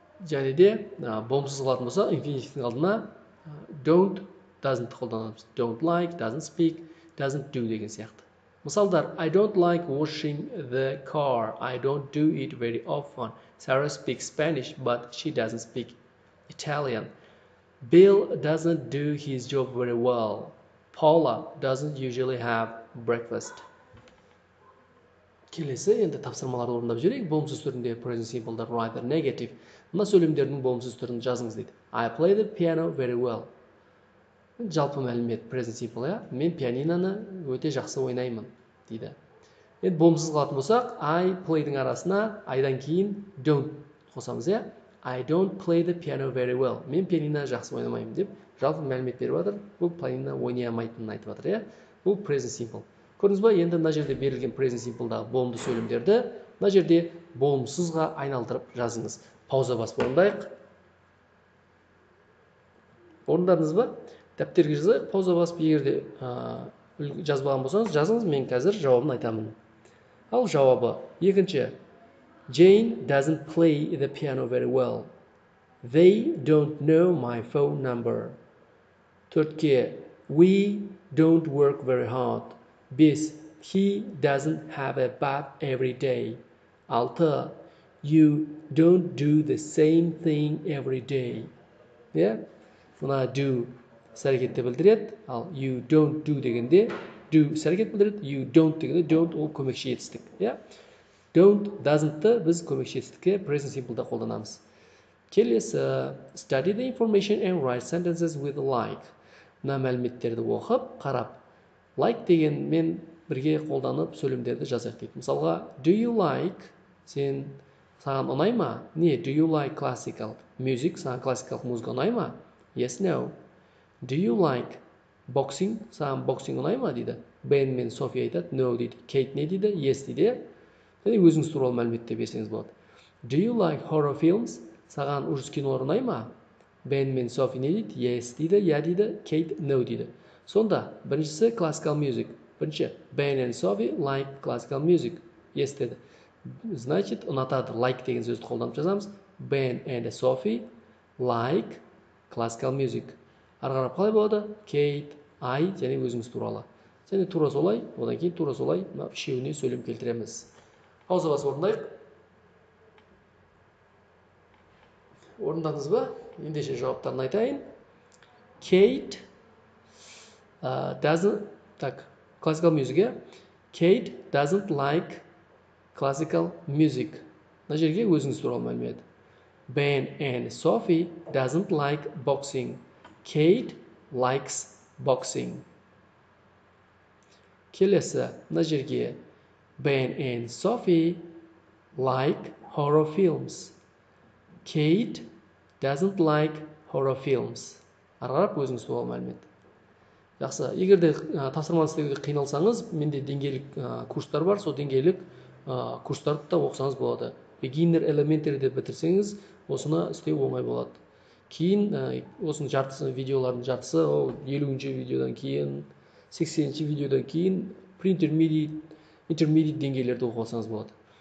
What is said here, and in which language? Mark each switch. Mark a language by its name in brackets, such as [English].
[Kazakh] Және де болымсыз қылатын болса, infinitive-тің алдына don't, doesn't қолданамыз. [English] Don't like, doesn't speak, doesn't do [Kazakh] деген сияқты. Мысалдар, [English] I don't like washing the car. I don't do it very often. Sarah speaks Spanish, but she doesn't speak Italian. Bill doesn't do his job very well. Paula doesn't usually have breakfast. [Kazakh] Келесі енді тапсырмаларды орындап жүрейік. Болымсыз түрінде [English] present simple, write negative. [Kazakh] Мына сөйлемдердің болымсыз түрін жазыңыз дейді. [English] I play the piano very well. [Kazakh] Жалпы мәлімет present simple, я? Мен пианиноны өте жақсы ойнаймын дейді. Енді болымсыз қалатын болсақ, I play-дің арасына I-дан кейін don't қосамыз, я? [English] I don't play the piano very well. [Kazakh] Мен пианино жақсы ойнамаймын деп жалпы мәлімет беріп жатыр. Бұл пианино ойнамайтынын айтып жатыр, я? Бұл [English] present simple. [Kazakh] Көрдіңіз ба, енді мына жерде берілген present simple-дағы болымды сөйлемдерді мына жерде болымсызға айналдырып жазыңыз. Пауза басып орындайық. Орындадыңыз ба? Дәптерге жазайық, пауза басып егерде жазбаған болсаңыз, жазыңыз, мен қазір жауабын айтамын. Ал жауабы, екінші, [English] Jane doesn't play the piano very well. They don't know my phone number. [Kazakh] Төртке, [English] we don't work very hard. [Kazakh] Бес, [English] he doesn't have a bath every day. [Kazakh] Алты, [English] you don't do the same thing every day. [Kazakh] Мына do сәрекетті білдіреді, ал [English] you don't do [Kazakh] дегенде do сәрекет білдіреді, you don't дегенде don't ол көмекші етістік. Don't, doesn't-ті біз көмекші етістікке present simple-да қолданамыз. [English] Келесі, study the information and write sentences with like. [Kazakh] Мына мәліметтерді оқып, қарап, like деген мен бірге қолданып сөйлемдерді жазайық дейді. Мысалға, [English] do you like, [Kazakh] сен саған ұнай ма? Не, [English] do you like classical music, [Kazakh] саған классикалық музыка ұнай ма? [English] Yes, no. Do you like boxing, [Kazakh] саған боксинг ұнай ма дейді? Бен мен Софи айтады, no дейді. Kate не дейді? Yes дейді. Және өзіңіз туралы мәліметті берсеңіз болады. [English] Do you like horror films, [Kazakh] саған ұрыс кинолар ұнай ма? Бен мен Софи не дейді? Yes дейді, yeah дейді, Kate no дейді. Сонда, біріншісі [English] classical music. Бірінші, Ben and Sophie like classical music. [Kazakh] Yes деді. Значит, ұнатады, [English] like [Kazakh] деген сөзді қолданып жазамыз. [English] Ben and Sophie like classical music. [Kazakh] Арғарап қалай болады? Kate, I және өзіңіз туралы. Және тура солай, одан кейін тура солай, үшеуіне сөйлем келтіреміз. Ауыза басып орындайық. Орындадыңыз ба? Ендеше жауаптарын айтайын. [English] Kate doesn't, [Russian] так, [English] classical music. Kate doesn't like classical music. [Kazakh] Мына жерге өзіңіз туралы мәлімет. [English] Ben and Sophie doesn't like boxing. Kate likes boxing. Келесі, мына жерге Ben and Sophie like horror films. Kate doesn't like horror films. [Kazakh] Арарап өзіңіз туралы мәлімет. Жақсы, егер де тапсырманы істеуге қиналсаңыз, менде деңгейлік курстар бар, сол деңгейлік курстарды да оқысаңыз болады. Beginner elementary деп бітірсеңіз, осыны істеу оңай болады. Кейін осының жартысы, видеолардың жартысы, 50-ші видеодан кейін, 80-ші видеодан кейін intermediate деңгейлерді оқып алсаңыз болады.